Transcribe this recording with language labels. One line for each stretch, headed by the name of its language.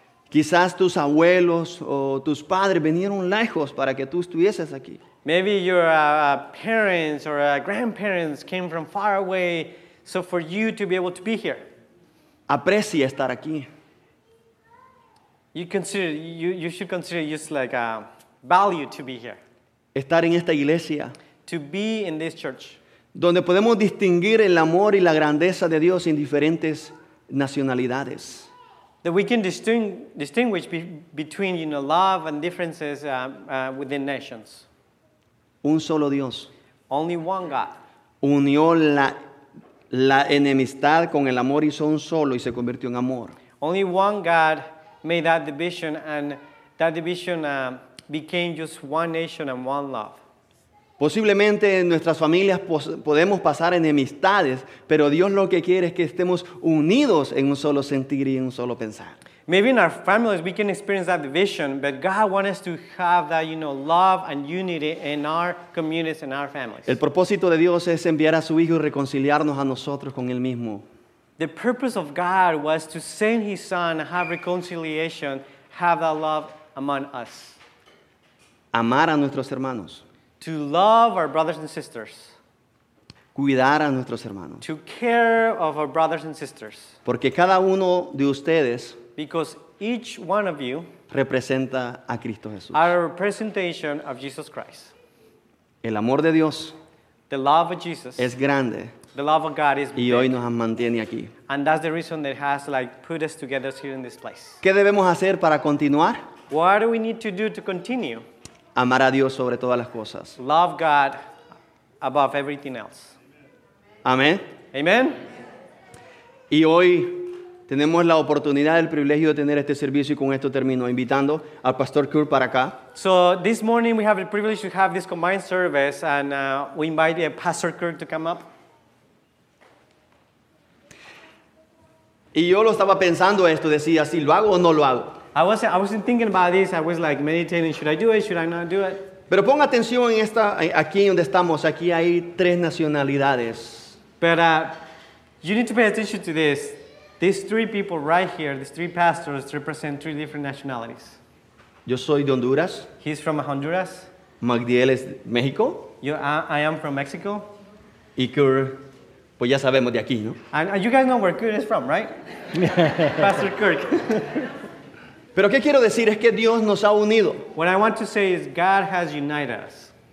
Spanish: Quizás tus abuelos o tus padres vinieron lejos para que tú estuvieses aquí.
English: Maybe your parents or grandparents came from far away so for you to be able to be here.
Spanish: Aprecia estar aquí.
English: You should consider just like a value to be here.
Spanish: Estar en esta iglesia.
English: To be in this church.
Spanish: Donde podemos distinguir el amor y la grandeza de Dios en diferentes nacionalidades.
English: That we can distinguish between love and differences within nations.
Spanish: Un solo Dios.
English: Only one God.
Spanish: Unió la enemistad con el amor y hizo un solo y se convirtió en amor.
English: Only one God made that division and that division became just one nation and one love.
Spanish: Posiblemente en nuestras familias podemos pasar enemistades, pero Dios lo que quiere es que estemos unidos en un solo sentir y en un solo pensar.
English: Maybe in our families we can experience that division, but God wants us to have that, love and unity in our communities and our families.
Spanish: El propósito de Dios es enviar a su Hijo y reconciliarnos a nosotros con Él mismo.
English: The purpose of God was to send His Son and have reconciliation, have that love among us.
Spanish: Amar a nuestros hermanos.
English: To love our brothers and sisters.
Spanish: Cuidar a nuestros hermanos.
English: To care of our brothers and sisters.
Spanish: Porque cada uno de ustedes.
English: Because each one of you.
Spanish: Representa a Cristo Jesús.
English: Are a representation of Jesus Christ.
Spanish: El amor de Dios.
English: The love of Jesus.
Spanish: Es grande.
English: The love of God is big.
Spanish: Y hoy nos mantiene aquí.
English: And that's the reason that has put us together here in this place.
Spanish: ¿Qué debemos hacer para continuar?
English: What do we need to do to continue?
Spanish: Amar a Dios sobre todas las cosas.
English: Love God above everything else.
Spanish: Amén.
English: Amen.
Spanish: Y hoy tenemos la oportunidad, el privilegio de tener este servicio y con esto termino invitando al Pastor Kurt para acá.
English: So this morning we have the privilege to have this combined service and we invite Pastor Kurt to come up.
Spanish: Y yo lo estaba pensando esto, decía, ¿si lo hago o no lo hago?
English: I was thinking about this. I was like meditating. Should I do it? Should I not do it?
Spanish: Pero pon atención en esta aquí donde estamos. Aquí hay tres nacionalidades.
English: But you need to pay attention to this. These three people right here, these three pastors, represent three different nationalities.
Spanish: Yo soy de Honduras.
English: He's from Honduras.
Spanish: Magdiel es México.
English: I am from Mexico.
Spanish: Y Kurt, pues ya sabemos de aquí, ¿no?
English: And you guys know where Kurt is from, right?
Spanish: Pastor Kurt. Pero qué quiero decir es que Dios nos ha unido.
English: What I want to say is God has united us.